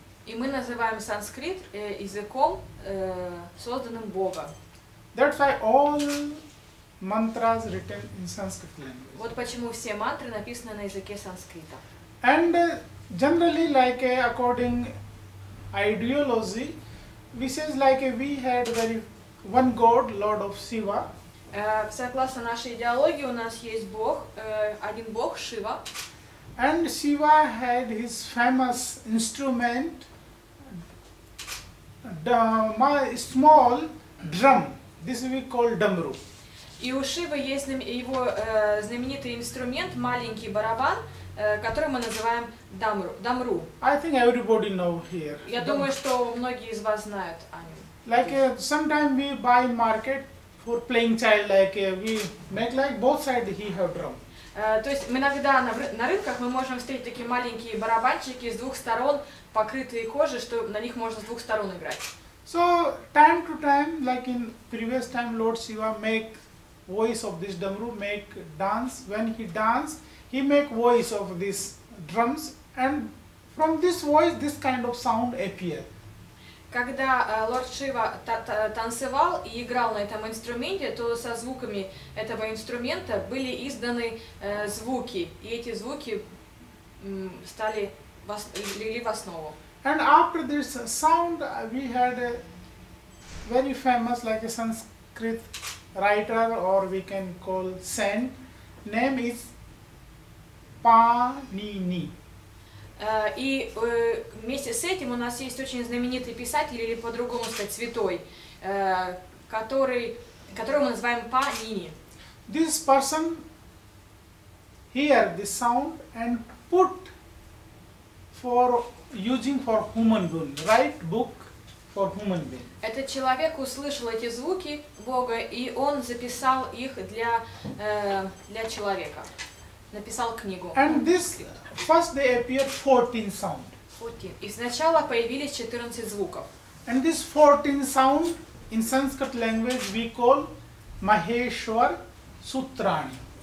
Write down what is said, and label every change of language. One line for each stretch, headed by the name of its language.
Russian: И мы называем санскрит языком, созданным Богом.
English: That's why all mantras written in Sanskrit language.
Russian: Вот почему все мантры написаны на языке санскрита.
English: And generally, like according ideology, we says like we had very one God, Lord of Shiva.
Russian: Согласно нашей идеологии, у нас есть Бог, один Бог Шива.
English: And Shiva had his famous instrument, the small Drum. This we call damru.
Russian: И у Шивы есть его знаменитый инструмент, маленький барабан, который мы называем дамру.
English: I think everybody know here.
Russian: Я думаю, что многие из вас знают о нем.
English: Like sometimes we buy market for playing child, like we make like both sides he have drum.
Russian: То есть мы иногда на рынках мы можем встретить такие маленькие барабанчики с двух сторон, покрытые кожей, что на них можно с двух сторон играть.
English: So time to time, like in previous time, Lord Shiva make voice of this damru, make dance. When he dance, he make voice of these drums, and from this voice, this kind of sound appear.
Russian: Когда Лорд Шива танцевал и играл на этом инструменте, то со звуками этого инструмента были изданы звуки, и эти звуки стали легли в основу.
English: And after this sound, we had a very famous, like a Sanskrit writer, or we can call saint, name is Panini.
Russian: И вместе с этим у нас есть очень знаменитый писатель, или по-другому сказать, святой, которого мы называем Панини.
English: This person hear this sound and put for using for human being, write book for human being.
Russian: Этот человек услышал эти звуки Бога, и он записал их для человека. Написал книгу.
English: And this first they appeared 14 sound. 14.
Russian: И сначала появились 14 звуков.
English: And this 14 sound in Sanskrit language we call Maheshwar Sutrani.